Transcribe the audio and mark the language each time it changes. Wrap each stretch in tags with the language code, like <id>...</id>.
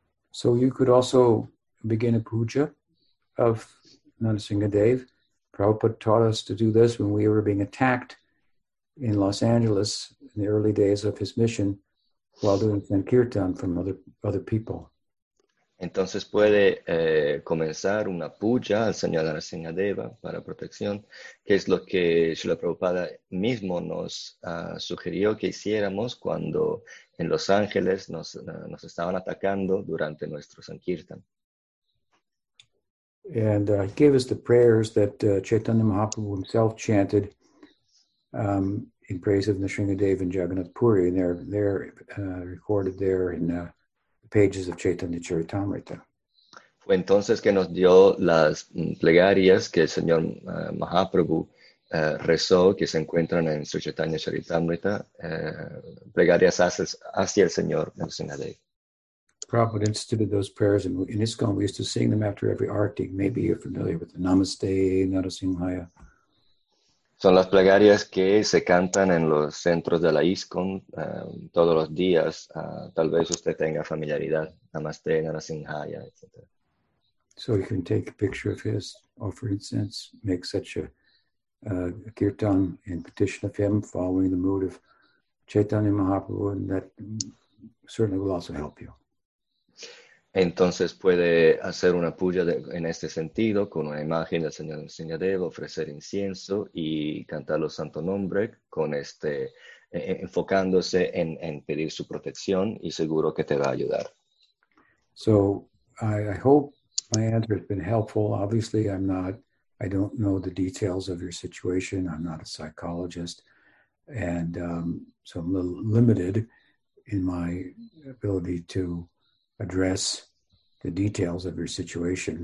<en>So you could also begin a puja of Narasimhadev. Prabhupada taught us to do this when we were being attacked in Los Angeles in the early days of his mission while doing sankirtan from other people.</en> <es>Entonces puede comenzar una puja al señor Narasimhadeva para protección, que es lo que Srila Prabhupada mismo nos sugirió que hiciéramos cuando en Los Ángeles nos estaban atacando durante nuestro Sankirtan.</es> <en>And he gave us the prayers that Chaitanya Mahaprabhu himself chanted in praise of Narasimhadeva and Jagannath Puri, and they're recorded there in pages of Chaitanya Charitamrita.</en> <es>Fue entonces que nos dio las plegarias que el señor Mahaprabhu rezó, que se encuentran en su Chaitanya Charitamrita, plegarias hacia el señor Narasimhadev.</es> <en>Prabhupada instituted those prayers in ISKCON. We used to sing them after every arti. Maybe you're familiar with the Namaste Narasimhaya.</en> <es>Son las plegarias que se cantan en los centros de la ISKCON todos los días. Tal vez usted tenga familiaridad. Namaste, Narasimhaya, etc.</es> <en>So you can take a picture of his offering incense, make such a kirtan in petition of him following the mood of Chaitanya Mahaprabhu, and that certainly will also help you.</en> <es>Entonces puede hacer una puya en este sentido con una imagen del Señor Nrsimhadeva, ofrecer incienso y cantar los santos nombres con este enfocándose en pedir su protección y seguro que te va a ayudar.</es> <en>So I hope my answer has been helpful. Obviously, I don't know the details of your situation. I'm not a psychologist, and so I'm a little limited in my ability to address the details of your situation.</en>